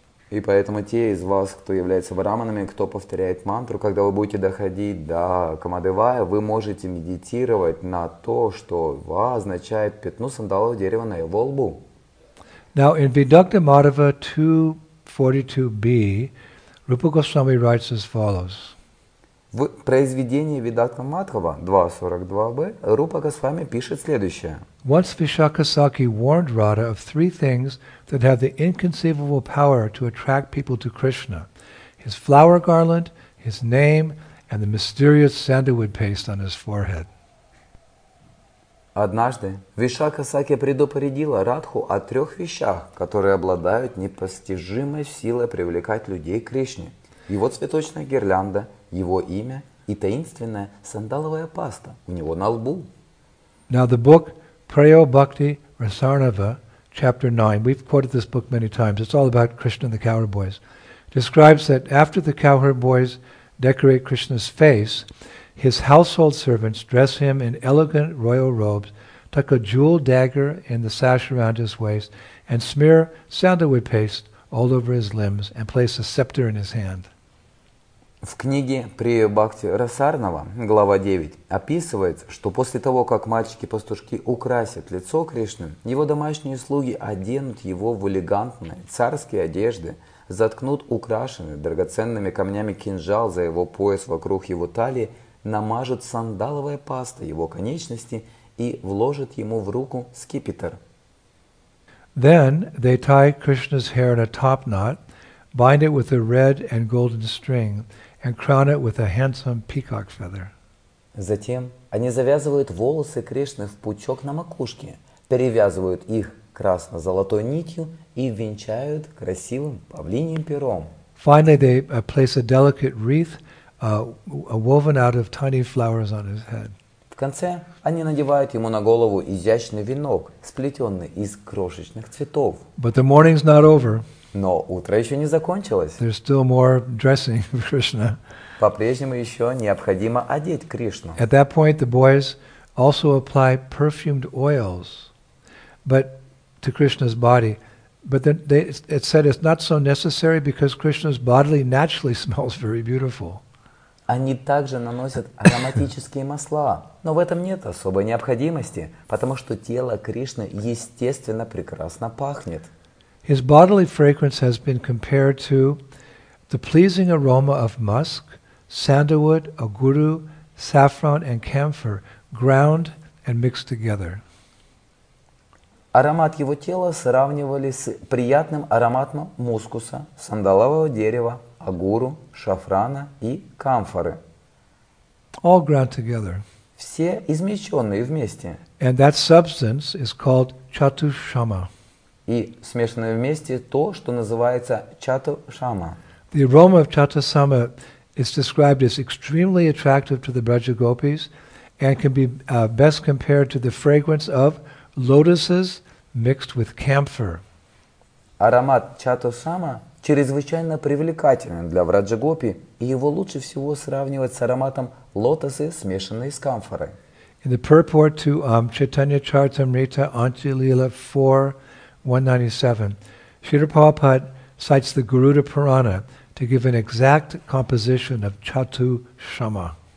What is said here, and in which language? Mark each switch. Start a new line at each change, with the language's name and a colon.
Russian: И поэтому те из вас, кто является браманами, кто повторяет мантру, когда вы будете доходить до Камадевая, вы можете медитировать на то, что ва означает пятно сандалового дерева на его лбу.
English: Now in Vidukta Madhava 2.42b, Rupa Goswami writes as follows.
Russian: В произведении Vidukta Madhava 2.42b, Rupa Goswami пишет следующее.
English: Once Vishakhasakhi warned Radha of three things that have the inconceivable power to attract people to Krishna: his flower garland, his name, and the mysterious sandalwood paste on his forehead.
Russian: Однажды Вишакхасакхи предупредила Радху о трех вещах, которые обладают непостижимой силой привлекать людей к Кришне: его цветочная гирлянда, его имя и таинственная сандаловая паста у него на лбу.
English: Now the book Prayo Bhakti Rasarnava, chapter 9, we've quoted this book many times, it's all about Krishna and the cowherd boys, describes that after the cowherd boys decorate Krishna's face, his household servants dress him in elegant royal robes, tuck a jeweled dagger in the sash around his waist, and smear sandalwood paste all over his limbs and place a scepter in his hand.
Russian: В книге Прия Бхакти Расарнава, глава 9, описывается, что после того, как мальчики-пастушки украсят лицо Кришны, его домашние слуги оденут его в элегантные царские одежды, заткнут украшенный драгоценными камнями кинжал за его пояс вокруг его талии, намажут сандаловой пастой его конечности и вложат ему в руку скипетр.
English: Then they tie Krishna's hair in a top knot, bind it with a red and golden string, and crown it with a handsome peacock feather.
Russian: Затем они завязывают волосы Кришны в пучок на макушке, перевязывают их красно-золотой нитью и венчают красивым павлиньим пером.
English: Finally, they place a delicate wreath, woven out of tiny flowers on his head.
Russian: В конце они надевают ему на голову изящный венок, сплетенный из крошечных цветов.
English: But the morning's not over.
Russian: Но утро еще не закончилось.
English: There's still more dressing for Krishna.
Russian: По-прежнему еще необходимо одеть Кришну.
English: At that point the boys also apply perfumed oils, but to Krishna's body. But then it said it's not so necessary because Krishna's body naturally smells very beautiful.
Russian: Они также наносят ароматические масла, но в этом нет особой необходимости, потому что тело Кришны естественно прекрасно пахнет.
English: His bodily fragrance has been compared to the pleasing aroma of musk, sandalwood, aguru, saffron and camphor, ground and mixed together.
Russian: Аромат его тела сравнивали с приятным ароматом мускуса, сандалового дерева, агуру, шафрана и камфоры.
English: All ground together.
Russian: Все измельченные вместе.
English: And that substance is called chatushama.
Russian: И смешанное вместе то, что называется чатушама.
English: The aroma of chatushama is described as extremely attractive to the Braja Gopis and can be best compared to the fragrance of lotuses mixed with camphor.
Russian: Аромат чатушама чрезвычайно привлекательный для враджа-гопи, и его лучше всего сравнивать с ароматом лотоса, смешанный с камфорой.
English: In the purport to Chaitanya Charitamrita Anchalila 4.197, Srila Prabhupada cites the Garuda Purana to give an exact composition of чатушама.